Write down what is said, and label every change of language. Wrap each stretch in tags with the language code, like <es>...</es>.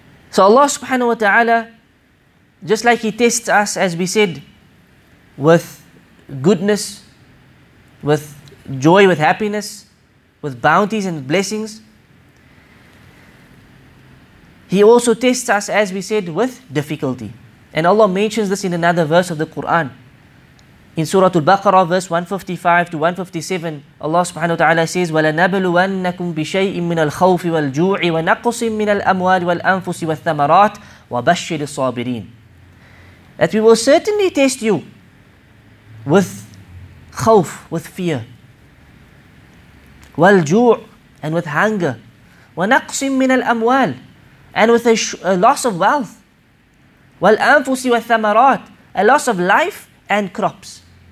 <en>So Allah subhanahu wa ta'ala, just like He tests us, as we said, with goodness, with joy, with happiness, with bounties and blessings, He also tests us, as we said, with difficulty. And Allah mentions this in another verse of the Quran. In Surah Al-Baqarah, verse 155 to 157, Allah subhanahu wa ta'ala says,</en> <ar>وَلَنَبْلُوَنَّكُمْ بِشَيْءٍ مِّنَ الْخَوْفِ وَالْجُوعِ وَنَقْصٍ مِّنَ الْأَمْوَالِ وَالْأَنفُسِ وَالثَّمَرَاتِ وَبَشِّرِ الصَّابِرِينَ.</ar> <en>That we will certainly test you with khawf, with fear,</en> <ar>وَالْجُوعِ,</ar> <en>and with hunger,</en> <ar>وَنَقْصٍ مِّنَ الْأَمْوَالِ,</ar> <en>and with a loss of wealth,</en> <ar>وَالْأَنفُسِ وَالثَّمَرَاتِ,</ar> <en>a loss of life and crops.</en>